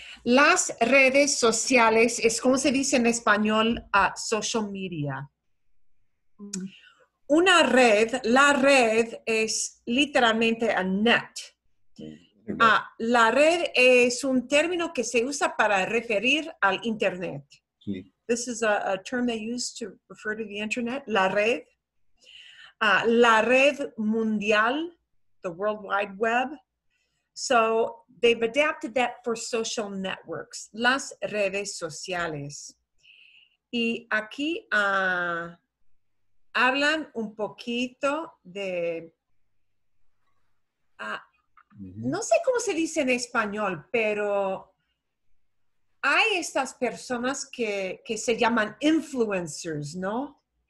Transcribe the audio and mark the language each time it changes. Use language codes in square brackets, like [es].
[es] Las redes sociales es como se dice en español, social media. Una red, la red es literalmente [en] a net. [es] La red es un término que se usa para referir al internet. Sí. [en] This is a term they use to refer to the internet, la red. [es] La red mundial, [en] the World Wide Web. So they've adapted that for social networks, [es] las redes sociales. Y aquí... hablan un poquito de, no sé cómo se dice en español, pero hay estas personas que se llaman influencers, ¿no?